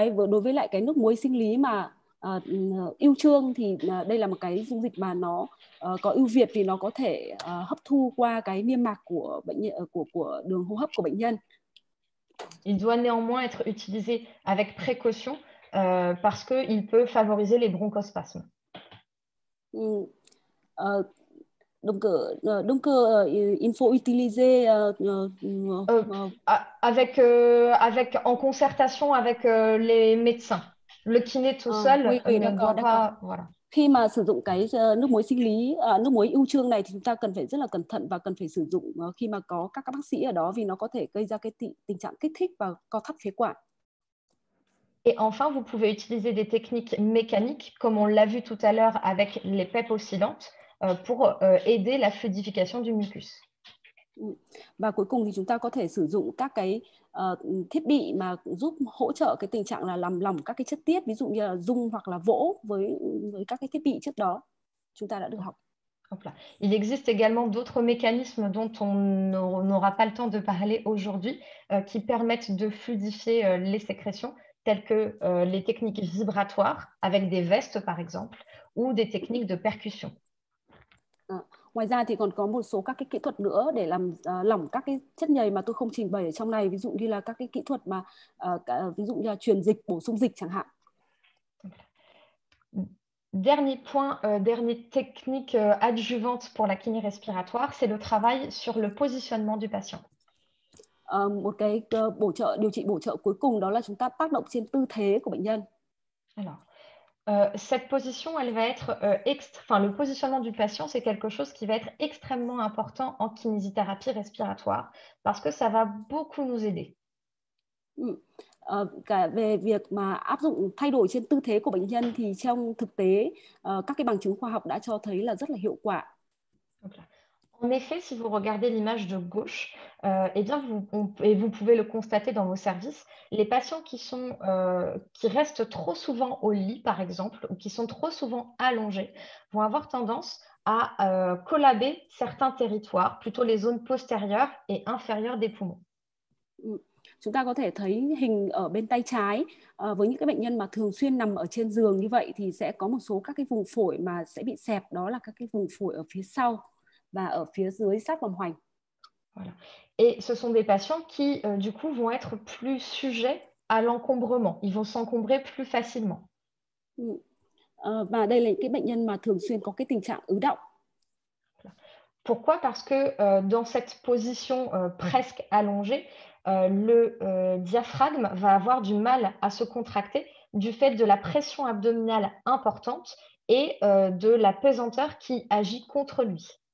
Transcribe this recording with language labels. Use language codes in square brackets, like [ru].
[vi] Đối với lại cái nước muối sinh lý mà ưu trương thì đây là một cái dung dịch mà nó có ưu việt vì nó có thể hấp thu qua cái niêm mạc của bệnh nhân, của đường hô hấp của bệnh nhân. [fr] Il doit néanmoins être utilisé avec précaution parce qu'il peut favoriser les bronchospasmes. Donc, il faut utiliser Avec en concertation avec les médecins. Le kiné tout seul Oui, ne doit d'accord. pas. Voilà. [vi] Khi mà sử dụng cái nước muối sinh lý, nước muối ưu trương này thì chúng ta cần phải rất là cẩn thận và cần phải sử dụng khi mà có các bác sĩ ở đó vì nó có thể gây ra cái tình trạng kích thích và co thắt phế quản. [fr] Et enfin, vous pouvez utiliser des techniques mécaniques, comme on l'a vu tout à l'heure avec les PEP oscillantes, pour aider la fluidification du mucus. [vi] Và cuối cùng thì chúng ta có thể sử dụng các cái thiết bị mà giúp hỗ trợ cái tình trạng là làm lỏng các cái chất tiết, ví dụ như là rung hoặc là vỗ với các cái thiết bị trước đó chúng ta đã được học. [fr] Il existe également d'autres mécanismes dont on n'aura pas le temps de parler aujourd'hui, qui permettent de fluidifier, les sécrétions. Telles que les techniques vibratoires avec des vestes, par exemple, ou des techniques de percussion. [vi] Ngoài ra thì còn có một số các cái kỹ thuật nữa để làm lỏng các cái chất nhầy mà tôi không trình bày ở trong này, ví dụ như là các cái kỹ thuật mà ví dụ như là truyền dịch, bổ sung dịch chẳng hạn. [fr] Dernier point, dernière technique adjuvante pour la kiné respiratoire, c'est le travail sur le positionnement du patient. [vi] Một cái bổ trợ điều trị bổ trợ cuối cùng đó là chúng ta tác động trên tư thế của bệnh nhân. [fr] Cette position, elle va être, enfin, le positionnement du patient, c'est quelque chose qui va être extrêmement important en kinésithérapie respiratoire parce que ça va beaucoup nous aider. [vi] Cả về việc mà áp dụng thay đổi trên tư thế của bệnh nhân thì trong thực tế các cái bằng chứng khoa học đã cho thấy là rất là hiệu quả. [fr] En effet, si vous regardez l'image de gauche, eh bien et vous pouvez le constater dans vos services, les patients qui restent trop souvent au lit, par exemple, ou qui sont trop souvent allongés, vont avoir tendance à collaber certains territoires, plutôt les zones postérieures et inférieures des poumons. [vi] Chúng ta có thể thấy hình ở bên tay trái với những cái bệnh nhân mà thường xuyên nằm ở trên giường như vậy thì sẽ có một số các cái vùng phổi mà sẽ bị xẹp, đó là các cái vùng phổi ở phía sau và ở phía dưới sát vòm hoành. [fr] Voilà. Et ce sont des patients qui, du coup, vont être plus sujets à l'encombrement. Ils vont s'encombrer plus facilement. [vi] Và đây là những cái bệnh nhân mà thường xuyên có cái tình trạng ứ đọng. [fr] Pourquoi? Parce que dans cette position presque allongée, le diaphragme va avoir du mal à se contracter du fait de la pression abdominale importante et de la pesanteur qui agit contre lui.